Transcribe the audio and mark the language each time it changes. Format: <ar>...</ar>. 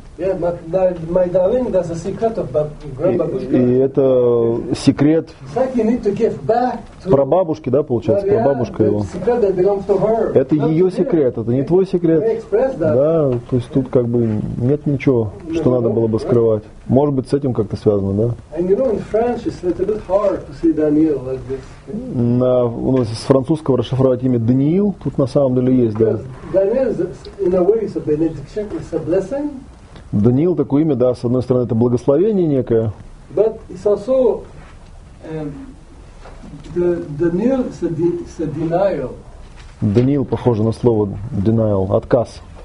<en>Yeah, my darling, that's a secret of grandbabushka.</en> <ru>И это секрет.</ru> <en>Like you need to give back to</en> <ru>про бабушки, да, получается,</ru> <en>Maria,</en> <ru>про бабушку его.</ru> <en>Secret that belongs to her.</en> <ru>Это</ru> <en>not</en> <ru>ее секрет, это не твой секрет.</ru> <en>We express that.</en> <ru>Да, то есть тут как бы нет ничего, что надо было бы скрывать.</ru> <en>Right?</en> <ru>Может быть, с этим как-то связано, да?</ru> <en>And you know, in French, it's a little bit hard to see Daniil like this.</en> <ru>У нас из французского расшифровать имя Даниил тут на самом деле есть, да.</ru> <en>Daniil, in a way, is a benediction, it's a blessing.</en> <ru>Даниил, такое имя, да, с одной стороны, это благословение некое.</ru> <en>But it's also Daniel is a denial.</en> <ru>Даниил похоже на слово denial, отказ.</ru>